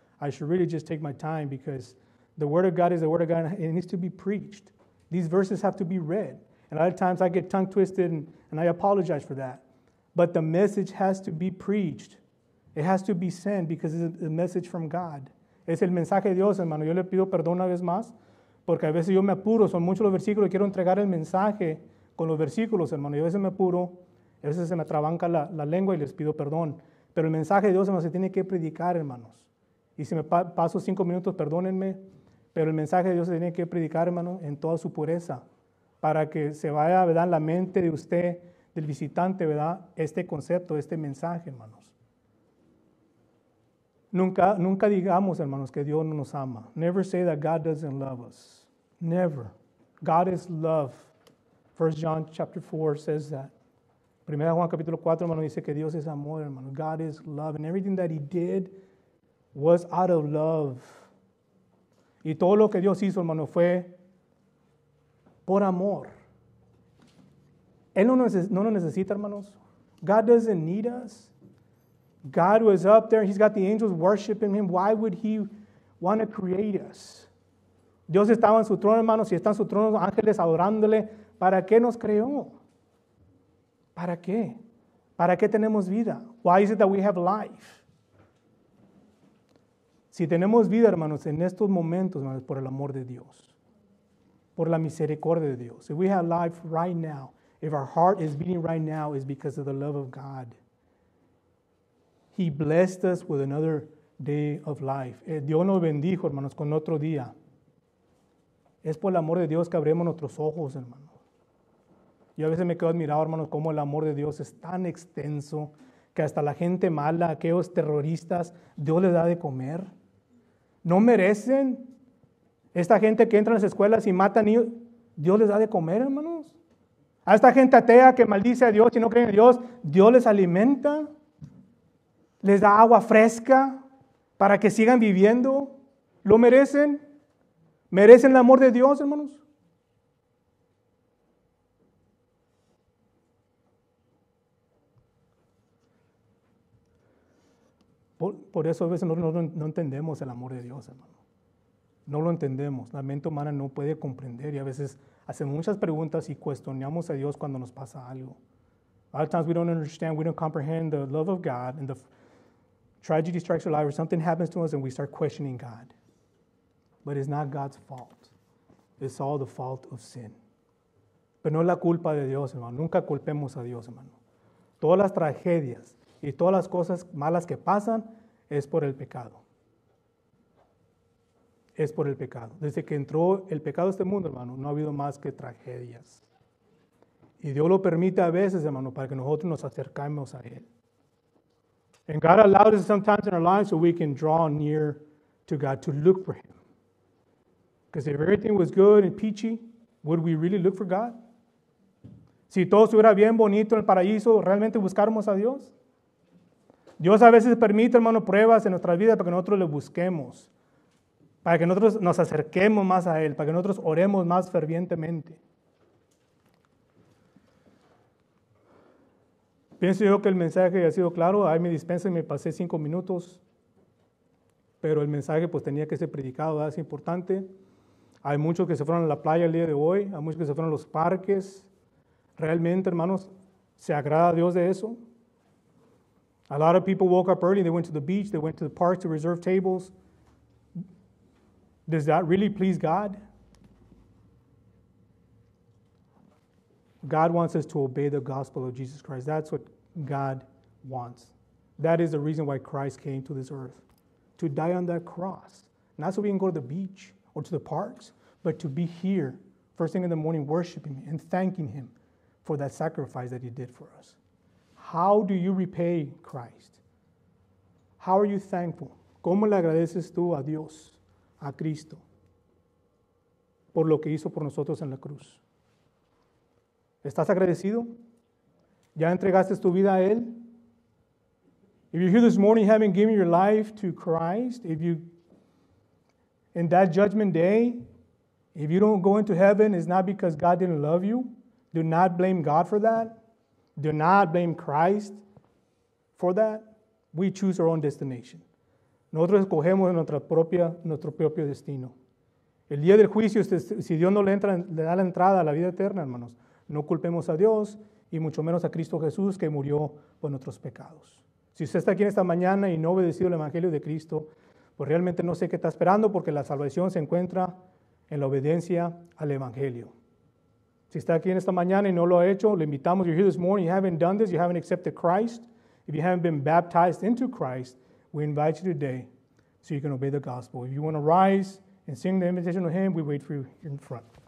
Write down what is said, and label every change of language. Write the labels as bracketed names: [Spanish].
[English] I should really just take my time because the Word of God is the Word of God, and it needs to be preached. These verses have to be read. And a lot of times I get tongue twisted, and I apologize for that. But the message has to be preached. It has to be sent because it's a message from God. [Spanish] Es el mensaje de Dios, hermano. Yo le pido perdón una vez más, porque a veces yo me apuro. Son muchos los versículos. Quiero entregar el mensaje con los versículos, hermano. Yo a veces me apuro. A veces se me trabanca la lengua y les pido perdón. Pero el mensaje de Dios, hermano, se tiene que predicar, hermanos. Y si me paso 5 minutos, perdónenme. Pero el mensaje de Dios se tiene que predicar, hermano, en toda su pureza. Para que se vaya, ¿verdad?, la mente de usted, del visitante, ¿verdad?, este concepto, este mensaje, hermanos. Nunca, nunca digamos, hermanos, que Dios no nos ama. [English] Never say that God doesn't love us. Never. God is love. 1 John chapter 4 says that. [Spanish] 1 Juan capítulo 4, hermano, dice que Dios es amor, hermano. [English] God is love. And everything that He did was out of love. [Spanish] Y todo lo que Dios hizo, hermano, fue por amor. Él no nos necesita, hermanos. [English] God doesn't need us. God was up there and He's got the angels worshiping Him. Why would He want to create us? [Spanish] Dios estaba en su trono, hermanos, y está en su trono, ángeles adorándole. ¿Para qué nos creó? ¿Para qué? ¿Para qué tenemos vida? [English] Why is it that we have life? [Spanish] Si tenemos vida, hermanos, en estos momentos, hermanos, por el amor de Dios, por la misericordia de Dios. [English] If we have life right now, if our heart is beating right now, it's because of the love of God. He blessed us with another day of life. [Spanish] Dios nos bendijo, hermanos, con otro día. Es por el amor de Dios que abrimos nuestros ojos, hermanos. Yo a veces me quedo admirado, hermanos, cómo el amor de Dios es tan extenso que hasta la gente mala, aquellos terroristas, Dios les da de comer. No merecen. Esta gente que entra en las escuelas y mata niños, Dios les da de comer, hermanos. A esta gente atea que maldice a Dios y no cree en Dios, Dios les alimenta. Les da agua fresca para que sigan viviendo. ¿Lo merecen? ¿Merecen el amor de Dios, hermanos? Por eso a veces no entendemos el amor de Dios, hermano. No lo entendemos. La mente humana no puede comprender. Y a veces hacemos muchas preguntas y cuestionamos a Dios cuando nos pasa algo. [English] A lot of times we don't understand, we don't comprehend the love of God and the tragedy strikes our life or something happens to us and we start questioning God. But it's not God's fault. It's all the fault of sin. [Spanish] Pero no es la culpa de Dios, hermano. Nunca culpemos a Dios, hermano. Todas las tragedias y todas las cosas malas que pasan es por el pecado. Es por el pecado. Desde que entró el pecado a este mundo, hermano, no ha habido más que tragedias. Y Dios lo permite a veces, hermano, para que nosotros nos acercamos a Él. [English] And God allows it sometimes in our lives so we can draw near to God, to look for Him. Because if everything was good and peachy, would we really look for God? [Spanish] Si todo estuviera bien bonito en el paraíso, ¿realmente buscáramos a Dios? Dios a veces permite, hermano, pruebas en nuestra vida para que nosotros le busquemos. para que nosotros nos acerquemos más a Él, para que nosotros oremos más fervientemente. Pienso yo que el mensaje ha sido claro, ahí me dispensé y me pasé 5 minutos, pero el mensaje pues tenía que ser predicado, ¿verdad? Es importante. Hay muchos que se fueron a la playa el día de hoy, hay muchos que se fueron a los parques. Realmente, hermanos, ¿se agrada a Dios de eso? [English] A lot of people woke up early, they went to the beach, they went to the parks to reserve tables. Does that really please God? God wants us to obey the gospel of Jesus Christ. That's what God wants. That is the reason why Christ came to this earth, to die on that cross. Not so we can go to the beach or to the parks, but to be here first thing in the morning worshiping and thanking Him for that sacrifice that He did for us. How do you repay Christ? How are you thankful? [Spanish] ¿Cómo le agradeces tú a Dios, a Cristo, por lo que hizo por nosotros en la cruz? ¿Estás agradecido? ¿Ya entregaste tu vida a Él? [English] If you're here this morning, haven't given your life to Christ, if you, in that judgment day, if you don't go into heaven, it's not because God didn't love you. Do not blame God for that. Do not blame Christ for that. We choose our own destination. [Spanish] Nosotros escogemos nuestro propio destino. El día del juicio, si Dios no le da la entrada a la vida eterna, hermanos, no culpemos a Dios y mucho menos a Cristo Jesús que murió por nuestros pecados. Si usted está aquí en esta mañana y no ha obedecido el Evangelio de Cristo, pues realmente no sé qué está esperando porque la salvación se encuentra en la obediencia al Evangelio. Si está aquí en esta mañana y no lo ha hecho, le invitamos. [English] You're here this morning, you haven't done this, you haven't accepted Christ. If you haven't been baptized into Christ, we invite you today so you can obey the gospel. If you want to rise and sing the invitation of Him, we wait for you in front.